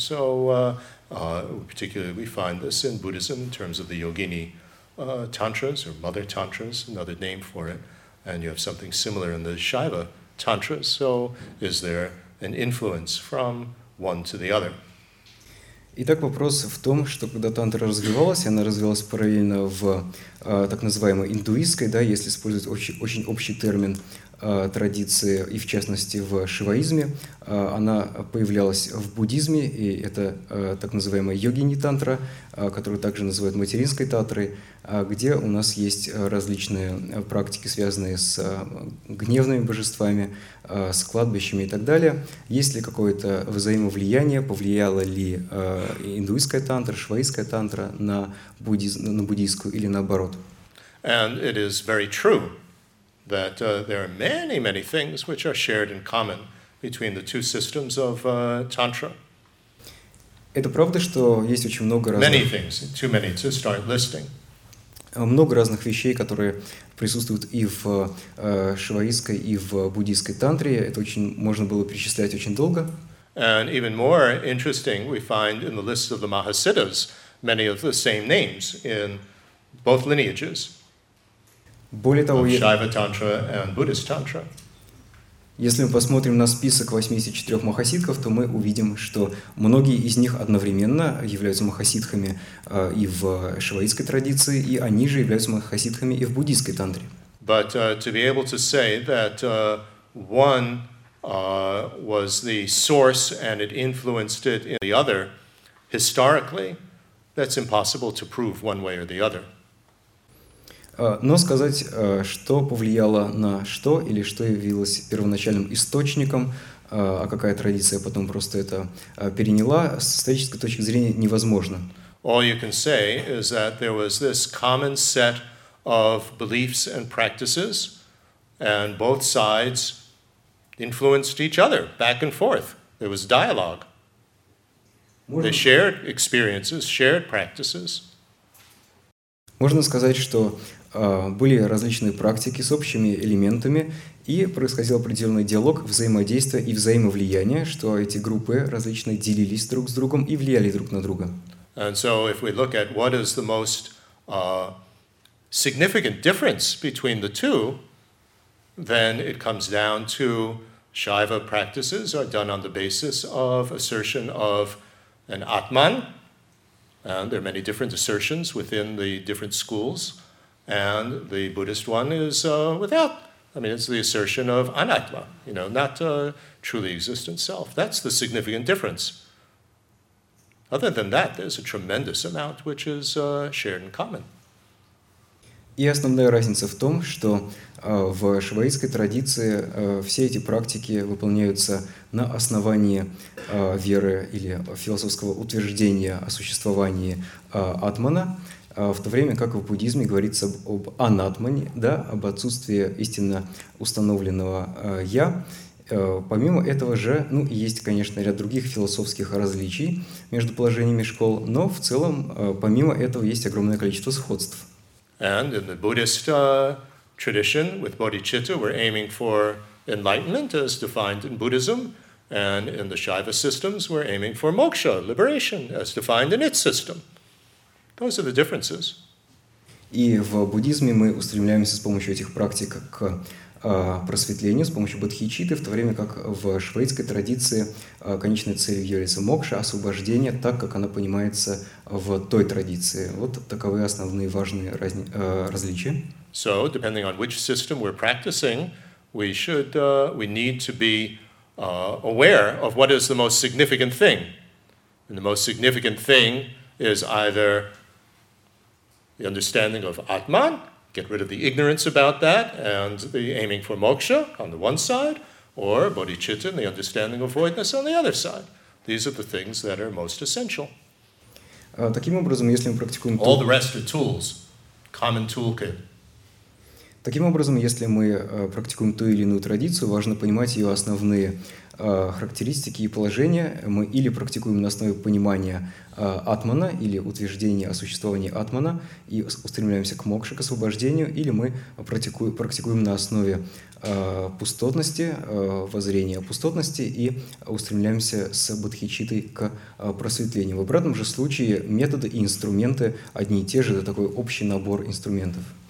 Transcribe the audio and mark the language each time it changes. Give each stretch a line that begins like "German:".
English: So particularly we find this in Buddhism in terms of the Yogini Tantras or Mother Tantras, another name for it, and you have something similar in the Shaiva Tantras. So is there an influence from one to the other?
Russian: Итак, вопрос в том, что когда тантра развивалась, она развивалась параллельно в так называемой индуистской, да, если использовать очень, очень общий термин традиции, и в частности в шиваизме, она появлялась в буддизме, и это так называемая йогини-тантра, которую также называют материнской тантрой, где у нас есть различные практики, связанные с гневными божествами, с кладбищами и так далее. Есть ли какое-то взаимовлияние, повлияла ли индуистская тантра, шиваистская тантра на буддийскую или наоборот?
English: And it is very true that there are many, many things which are shared in common between the two systems of Tantra.
Russian: Это правда, что есть очень много разных...
English: Many things, too many to start listing.
Russian: Много разных вещей, которые присутствуют и в шиваистской, и в буддийской тантре. Это очень можно было перечислять очень долго.
English: And even more interesting, we find in the list of the Mahasiddhas many of the same names in both lineages.
Russian: Более того,
English: Shaiva Tantra and Buddhist Tantra.
Russian: Если мы посмотрим на список 84 махасидхов, то мы увидим, что многие из них одновременно являются махасидхами и в шиваистской традиции, и они же являются махасидхами и в буддийской тантре.
English: But to be able to say that one was the source and it influenced it in the other historically, that's impossible to prove one way or the other.
Russian: Но сказать, что повлияло на что или что явилось первоначальным источником, а какая традиция потом просто это переняла, с исторической точки зрения невозможно.
English: All you can say is that there was this common set of beliefs and practices, and both sides influenced each other back and forth. There was dialogue. They shared experiences, shared practices.
Russian: Можно сказать, что были различные практики с общими элементами, и происходил определенный диалог, взаимодействие и взаимовлияние, что эти группы различные делились друг с другом и влияли друг на друга.
English: And so if we look at what is the most significant difference between the two, then it comes down to Shaiva practices are done on the basis of assertion of an Atman, and there are many different assertions within the different schools. And the Buddhist one is without. I mean, it's the assertion of anatma, you know, not truly existent self. That's the significant difference. Other than that, there's a tremendous amount which is shared in common.
Russian: И основная разница в том, что в шиваистской традиции все эти практики выполняются на основании веры или философского утверждения о существовании атмана. В то время как в буддизме говорится об анатмане, да, об отсутствии истинно установленного «я». Помимо этого же, ну, есть, конечно, ряд других философских различий между положениями школ, но в целом, помимо этого, есть огромное количество сходств.
English: And in the Buddhist tradition with bodhicitta, we're aiming for enlightenment as defined in Buddhism, and in the Shaiva systems, we're aiming for moksha, liberation, as defined in its system. Those are the differences.
Russian: И в буддизме мы устремляемся с помощью этих практик к просветлению, с помощью бодхичитты, в то время как в шиваистской традиции конечной целью является мокша, освобождение, так как она понимается в той традиции. Вот таковы основные важные различия.
English: So, depending on which system we're practicing, we need to be aware of what is the most significant thing And the most significant thing is either the understanding of Atman, get rid of the ignorance about that, and the aiming for moksha on the one side, or bodhicitta, the understanding of voidness on the other side. These are the things that are most essential.
Russian: Таким образом, если мы практикуем...
English: All the rest are tools, common toolkit.
Russian: Таким образом, если мы практикуем ту или иную традицию, важно понимать ее основные характеристики и положения. Мы или практикуем на основе понимания атмана или утверждения о существовании атмана и устремляемся к мокше, к освобождению, или мы практикуем на основе пустотности, воззрения пустотности и устремляемся с бодхичиттой к просветлению. В обратном же случае методы и инструменты одни и те же, это такой общий набор инструментов.